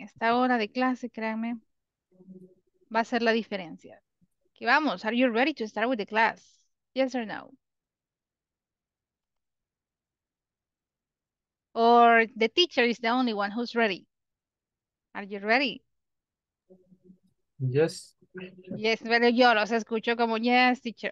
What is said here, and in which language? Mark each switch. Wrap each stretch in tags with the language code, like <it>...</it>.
<es>Esta hora de clase, créanme, va a ser la diferencia. Que vamos,</es> <en>are you ready to start with the class? Yes or no? Or the teacher is the only one who's ready? Are you ready? Yes.</en> <es>Yes, pero yo los escucho como</es> <en>yes, teacher.</en>